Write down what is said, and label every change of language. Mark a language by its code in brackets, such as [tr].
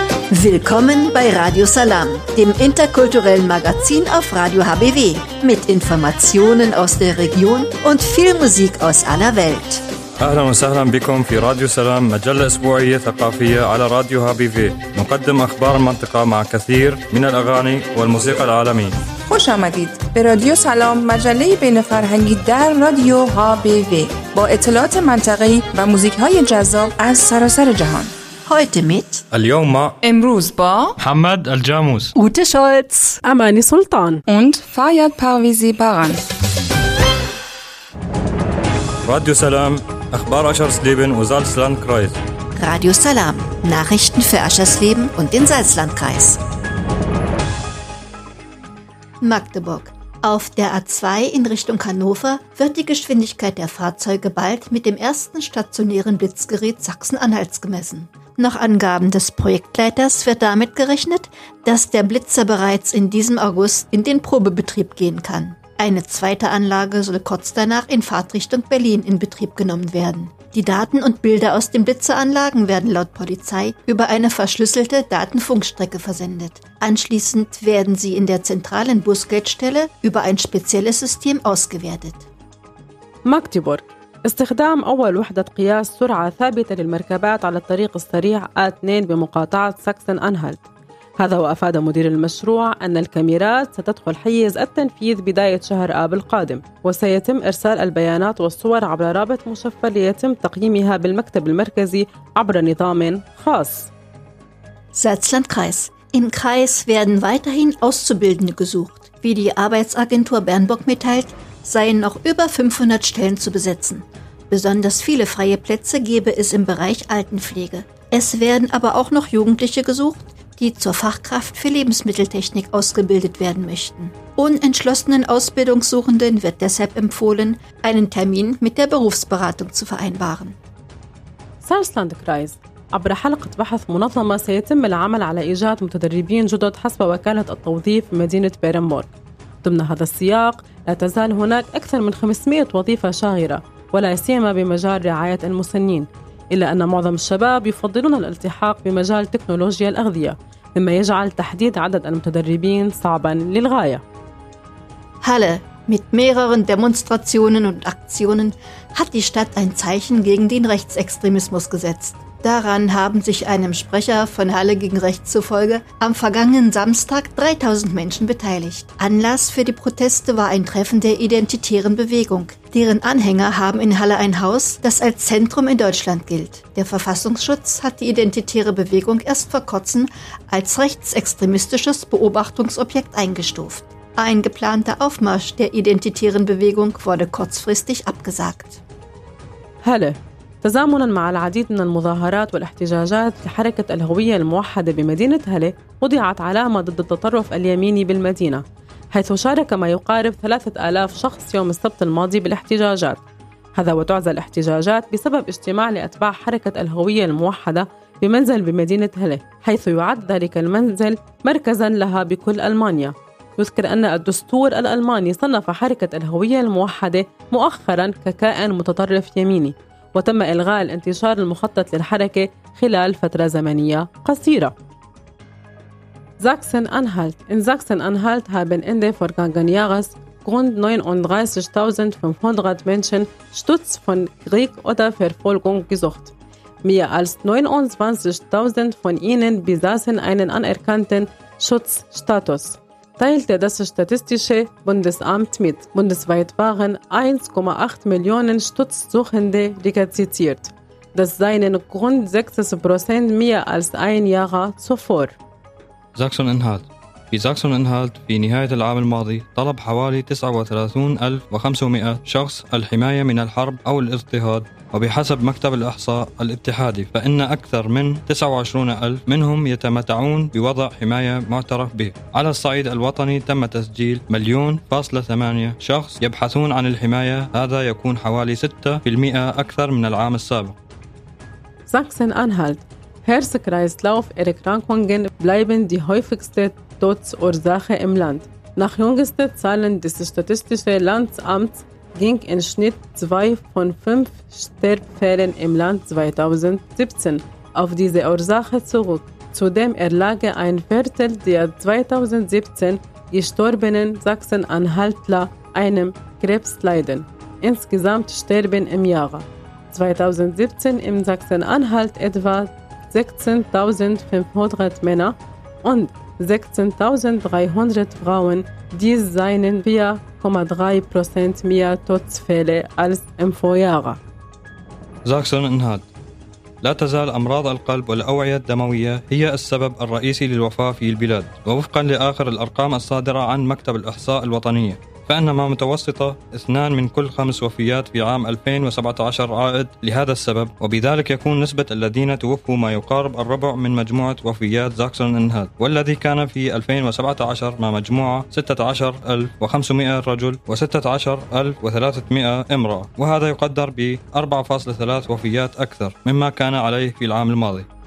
[de] Willkommen bei Radio Salam, dem interkulturellen Magazin auf Radio HBW, mit Informationen aus der Region und viel Musik aus aller Welt. [ar] اهلا وسهلا بكم في راديو سلام مجله اسبوعيه ثقافيه على راديو هابي في نقدم اخبار المنطقه مع كثير من الاغاني والموسيقى العالميه [fa] خوش آمدید به راديو سلام مجله بين فرهنگی در راديو هابي في با اطلاعات منطقه‌ای و موزیک‌های جذاب از سراسر جهان [de] heute mit [ar] اليوم مع [fa] امروز با [ar] محمد الجاموس اوت شولتز اماني سلطان [de] und فاياد پرویزی باران [ar] راديو سلام اخبار اشرسليبن و زالسلاندكرايز [de] راديو سلام نachrichten für اشرسليبن و den زالسلاندكرايز ماغدبورغ Auf der A2 in Richtung Hannover wird die Geschwindigkeit der Fahrzeuge bald mit dem ersten stationären Blitzgerät Sachsen-Anhalts gemessen. Nach Angaben des Projektleiters wird damit gerechnet, dass der Blitzer bereits in diesem August in den Probebetrieb gehen kann. Eine zweite Anlage soll kurz danach in Fahrtrichtung Berlin in Betrieb genommen werden. Die Daten und Bilder aus den Blitzeranlagen werden laut Polizei über eine verschlüsselte Datenfunkstrecke versendet. Anschließend werden sie in der zentralen Bußgeldstelle über ein spezielles System ausgewertet. Magdeburg. [ar] استخدام أول وحدة قياس سرعة ثابتة للمركبات على الطريق السريع A2 بمقاطعة ساكسن-أنهالت. هذا وأفاد مدير المشروع أن الكاميرات ستدخل حيز التنفيذ بداية شهر آب القادم وسيتم إرسال البيانات والصور عبر رابط مشفر ليتم تقييمها بالمكتب المركزي عبر نظام خاص [de] Salzlandkreis Im Kreis werden weiterhin Auszubildende gesucht. Wie die Arbeitsagentur Bernburg mitteilt, seien noch über 500 Stellen zu besetzen. Besonders viele freie Plätze gäbe es im Bereich Altenpflege. Es werden aber auch noch Jugendliche gesucht, die zur Fachkraft für Lebensmitteltechnik ausgebildet werden möchten. Unentschlossenen Ausbildungssuchenden wird deshalb empfohlen, einen Termin mit der Berufsberatung zu vereinbaren. Salzlandkreis. [ar] عبر حلقة بحث منظمة سيتم العمل على إيجاد متدربين جدد حسب وكالة التوظيف في مدينة بيرنبورغ. ضمن هذا السياق لا تزال هناك أكثر من 500 وظيفة شاغرة ولا سيما بمجال رعاية المسنين. إلا أن معظم الشباب يفضلون الالتحاق بمجال تكنولوجيا الأغذية مما يجعل تحديد عدد المتدربين صعباً للغاية [de] هلا Mit mehreren Demonstrationen und Aktionen hat die Stadt ein Zeichen gegen den Rechtsextremismus gesetzt. Daran haben sich einem Sprecher von Halle gegen Rechts zufolge am vergangenen Samstag 3000 Menschen beteiligt. Anlass für die Proteste war ein Treffen der Identitären Bewegung. Deren Anhänger haben in Halle ein Haus, das als Zentrum in Deutschland gilt. Der Verfassungsschutz hat die Identitäre Bewegung erst vor kurzem als rechtsextremistisches Beobachtungsobjekt eingestuft. Ein geplanter Aufmarsch der Identitären Bewegung wurde kurzfristig abgesagt. Halle. [ar] تزامناً مع العديد من المظاهرات والاحتجاجات لحركة الهوية الموحدة بمدينة هلي وضعت علامة ضد التطرف اليميني بالمدينة حيث شارك ما يقارب 3000 شخص يوم السبت الماضي بالاحتجاجات هذا وتعزى الاحتجاجات بسبب اجتماع لأتباع حركة الهوية الموحدة بمنزل بمدينة هلي حيث يعد ذلك المنزل مركزاً لها بكل ألمانيا يذكر أن الدستور الألماني صنف حركة الهوية الموحدة مؤخراً ككائن متطرف يميني وتم إلغاء الانتشار المخطط للحركة خلال فترة زمنية قصيرة. [de] Sachsen-Anhalt In Sachsen-Anhalt haben in der vergangenen Jahres rund 39.500 Menschen Schutz von Krieg oder Verfolgung gesucht. Mehr als 29.000 von ihnen besaßen einen anerkannten Schutzstatus. Teilte das Statistische Bundesamt mit. Bundesweit waren 1,8 Millionen Schutzsuchende rekrutiert. Das seien rund 6% mehr als ein Jahr zuvor. Sachsen-Anhalt. [ar] في ساكسن-أنهالت في نهاية العام الماضي طلب حوالي 39,500 شخص الحماية من الحرب أو الاضطهاد وبحسب مكتب الإحصاء الاتحادي فإن أكثر من 29,000 منهم يتمتعون بوضع حماية معترف به على الصعيد الوطني تم تسجيل 1,000,008 شخص يبحثون عن الحماية هذا يكون حوالي 6% أكثر من العام السابق [de] ساكسن-أنهالت هيرسكرايسلوف إريكرانكونغن بلايبن دي هويفكستيت Todesursache im Land. Nach jüngsten Zahlen des Statistischen Landesamts ging in Schnitt 2 von 5 Sterbfällen im Land 2017 auf diese Ursache zurück. zudem erlage ein Viertel der 2017 gestorbenen Sachsen-Anhaltler einem Krebsleiden. Insgesamt sterben im Jahre 2017 in Sachsen-Anhalt etwa 16.500 Männer und 16.300 Frauen, dies seien 4,3% mehr Todesfälle als im Vorjahr. Sachsen-Anhalt. [ar] لا تزال أمراض القلب والأوعية الدموية هي السبب الرئيسي للوفاة في البلاد. ووفقا لآخر الأرقام الصادرة عن مكتب الإحصاء الوطنية، فإن ما متوسطة 2 من كل 5 وفيات في عام 2017 عائد لهذا السبب، وبذلك يكون نسبة الذين توفوا ما يقارب الربع من مجموعة وفيات ساكسون-أنهالت، والذي كان في 2017 مع مجموعة 16500 رجل و16300 امرأة، وهذا يقدر ب 4.3 وفيات أكثر مما كان عليه في العام الماضي.